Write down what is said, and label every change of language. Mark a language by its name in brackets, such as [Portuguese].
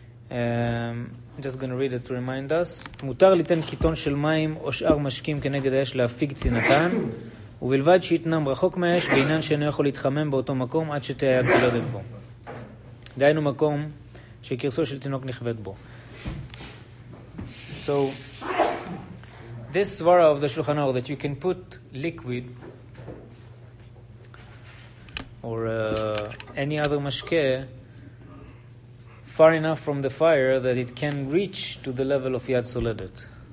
[English] I'm just going to read it to remind us. [Hebrew] מותר ליתן קיטון של מים או שאר משקים כנגד האש להפיק צינתן, ובלבד שיתנם רחוק מהאש בעינן שאינו יכול להתחמם באותו מקום עד שתהיה צולדת בו. דהיינו מקום שכרסו של תינוק נכבד בו. [English] So, this svara of the Shulchan Aruch that you can put liquid or any other משקה far enough from the fire that it can reach to the level of Yad Soledet.